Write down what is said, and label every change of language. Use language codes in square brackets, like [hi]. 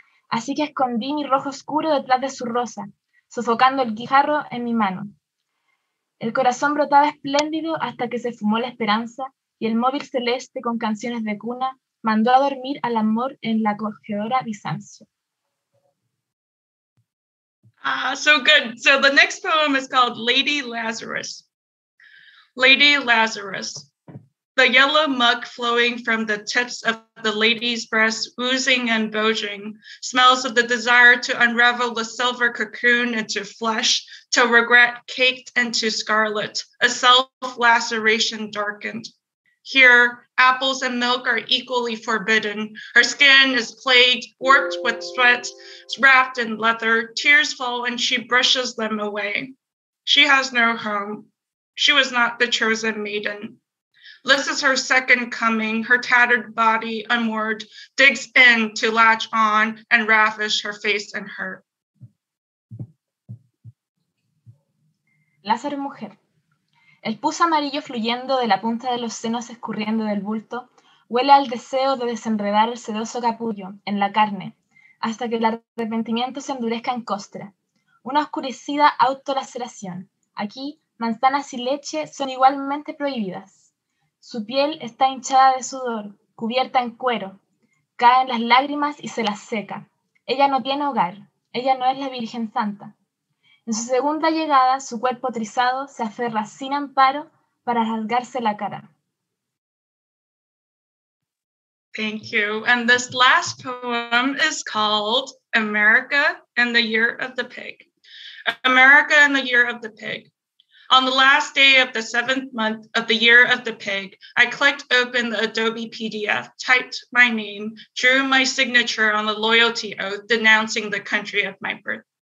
[es] Así que escondí mi rojo oscuro detrás de su rosa, sofocando el guijarro en mi mano. El corazón brotaba espléndido hasta que se fumó la esperanza y el móvil celeste con canciones de cuna mandó a dormir al amor en la acogedora Bizancio. [en] Ah, so good. So the next poem is called Lady Lazarus. Lady Lazarus. The yellow muck flowing from the tips of the lady's breasts, oozing and bulging, smells of the desire to unravel the silver cocoon into flesh, till regret caked into scarlet, a self-laceration darkened. Here, apples and milk are equally forbidden. Her skin is plagued, warped with sweat, wrapped in leather. Tears fall and she brushes them away. She has no home. She was not the chosen maiden. This is her second coming, her tattered body unmoored, digs in to latch on and ravish her face and her. [es] Lázaro mujer. El pus amarillo fluyendo de la punta de los senos escurriendo del bulto huele al deseo de desenredar el sedoso capullo en la carne hasta que el arrepentimiento se endurezca en costra. Una oscurecida autolaceración. Aquí, manzanas y leche son igualmente prohibidas. Su piel está hinchada de sudor, cubierta en cuero. Caen las lágrimas y se las seca. Ella no tiene hogar. Ella no es la Virgen Santa. En su segunda llegada, su cuerpo trizado se aferra sin amparo para rasgarse la cara. [en] Thank you. And this last poem is called America in the Year of the Pig. America in the Year of the Pig. On the last day of the seventh month of the year of the pig, I clicked open the Adobe PDF, typed my name, drew my signature on the loyalty oath denouncing the country of my birth.